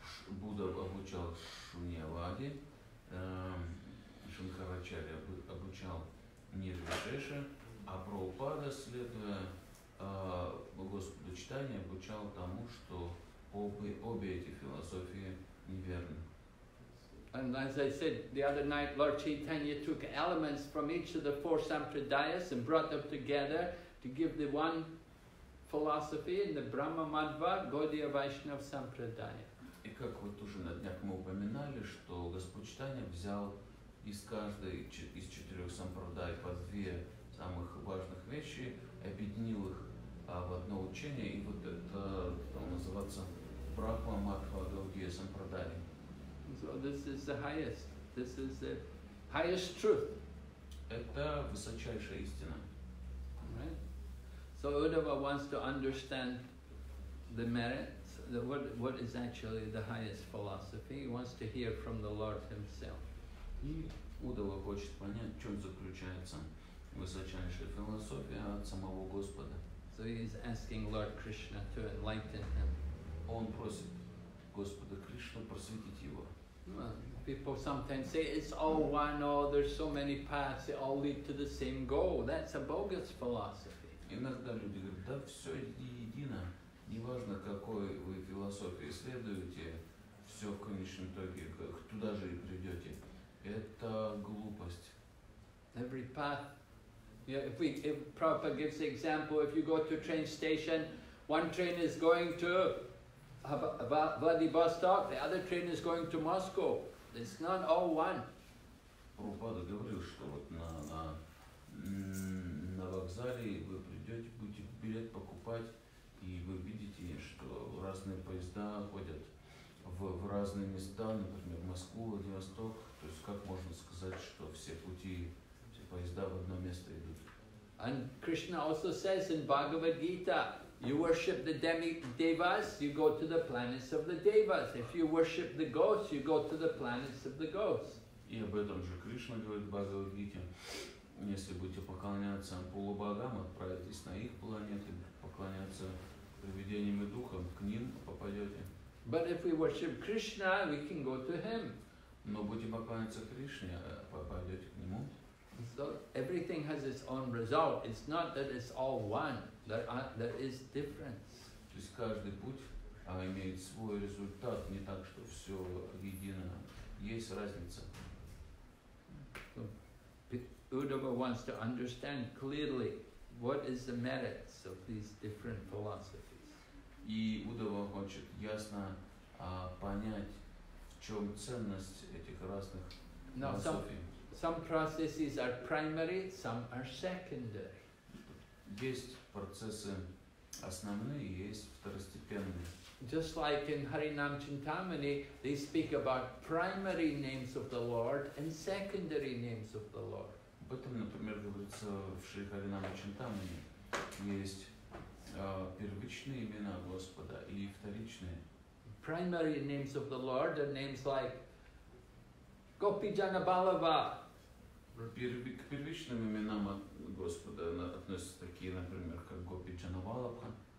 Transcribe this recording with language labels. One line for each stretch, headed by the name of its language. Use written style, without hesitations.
Russian: Buddha обучал Шуньяваде, Шанкарачарья обучал Нирвишеше, а Прабхупада, следуя Господу Чайтанье, обучал тому, что обе эти философии неверны.
English: And as I said the other night, Lord Chaitanya took elements from each of the four sampradayas and brought them together to give the one philosophy in the Brahma Madhva Gaudiya Vaishnava Sampradaya.
Russian: И как вот уже на днях мы упоминали, что Господь Чайтанья взял из каждой из четырех сампрадай по две самых важных вещи, объединил их в одно учение, и вот это стало называться Брахма Мадхва Гаудия Сампрадая.
English: So this is the highest. This is the highest truth.
Russian: Это высочайшая истина.
English: Right. So Uddhava wants to understand the merits, what is actually the highest philosophy. He wants to hear from the Lord Himself.
Russian: И Уддхава хочет понять, в чем заключается высочайшая философия от самого Господа.
English: So he is asking Lord Krishna to enlighten him.
Russian: Он просит Господа Кришну просветить его.
English: People sometimes say it's all one, oh, there's so many paths, they all lead to the same goal. That's a bogus philosophy.
Russian: Иногда люди говорят, да все едино, неважно какой вы философии следуете, все в конечном итоге, туда же и придете. Это глупость.
English: Every path. Yeah, if Prabhupada gives the example, if you go to a train station, one train is going to Vladivostok, the other train is going to Moscow. It's not all one.
Russian: Прабхупада говорил, что вот на вокзале вы придете, будете билет покупать, и вы видите, что разные поезда ходят в разные места, например, в Москву, Владивосток. То есть как можно сказать, что все пути, все поезда в одно место идут?
English: And Krishna also says in Bhagavad Gita, you worship the devas, you go to the planets of the devas. If you worship the ghosts, you go to the planets of the ghosts.
Russian: И об этом же Кришна говорит в Бхагавад Гите. Если будете поклоняться полубогам, отправитесь на их планеты, поклоняться привидениям и духам, к ним попадете.
English: But if we worship Krishna, we can go to him.
Russian: Но будете поклоняться Кришне, попадете к нему.
English: So everything has its own result. It's not that it's all one. There is difference.
Russian: То есть каждый путь имеет свой результат, не так, что все едино. Есть разница.
English: So, Uddhava wants to understand clearly what is the merits of these different philosophies.
Russian: И Уддхава хочет ясно понять, в чем ценность этих разных философий.
English: Some processes are primary, some are secondary.
Russian: Есть процессы основные, есть второстепенные.
English: Just like in Harinam Chintamani, they speak about primary names of the Lord and secondary names of the Lord.
Russian: Об этом, например, говорится в Шри Харинам Чинтамани. Есть первичные имена Господа и вторичные.
English: Primary names of the Lord are names like Gopi Janabalava.
Russian: К первичным именам Господа относятся такие, например, как Гопи Джанавалабха,